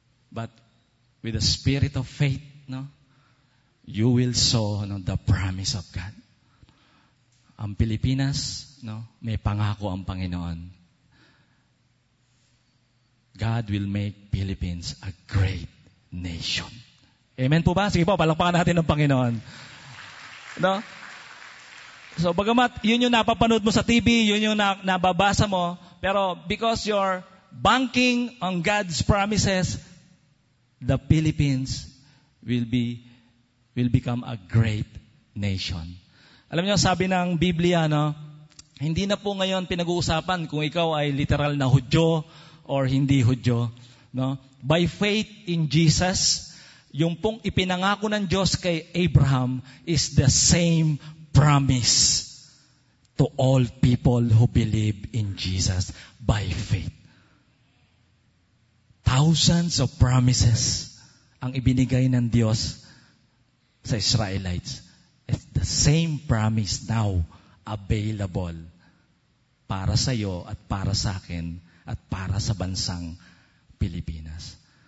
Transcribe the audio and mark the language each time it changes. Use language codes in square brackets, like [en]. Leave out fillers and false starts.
[en] But, with the spirit of faith, no, you will saw no, the promise of God. [tl] Ang Pilipinas, no, may pangako ang Panginoon. [en] God will make Philippines a great nation. Amen [tl] po ba? Sige po, palakpakan natin ng Panginoon. No? So, bagamat yun yung napapanood mo sa TV, yun yung nababasa mo, pero [en] because you're banking on God's promises, the Philippines will become a great nation. [tl] Alam niyo, sabi ng Biblia, no, hindi na po ngayon pinag-uusapan kung ikaw ay literal na Hudyo or hindi Hudyo, no? [en] By faith in Jesus, [tl] yung pong ipinangako ng Diyos kay Abraham [en] is the same promise to all people who believe in Jesus by faith. Thousands of promises [tl] ang ibinigay ng Diyos sa Israelites. [en] It's the same promise now available [tl] para sa iyo at para sa akin at para sa bansang Pilipinas.